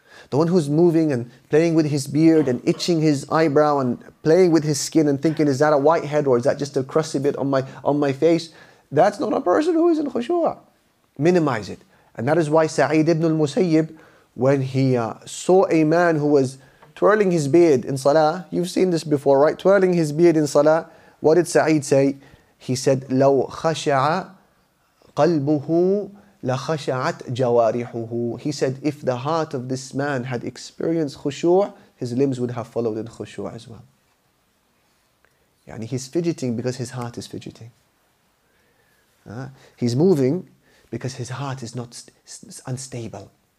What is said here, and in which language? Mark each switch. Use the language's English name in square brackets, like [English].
[English] The one who's moving and playing with his beard and itching his eyebrow and playing with his skin and thinking, is that a white head or is that just a crusty bit on my face? That's not a person who is in khushu'. Minimize it. And that is why Sa'id ibn al-Musayyib, when he saw a man who was twirling his beard in salah, you've seen this before, right? Twirling his beard in salah. What did Sa'id say? He said, [Arabic] لو خشع قلبه لخشعت جوارحه. [English] He said, if the heart of this man had experienced khushu', his limbs would have followed in khushu' as well. Yani he's fidgeting because his heart is fidgeting. He's moving because his heart is not unstable.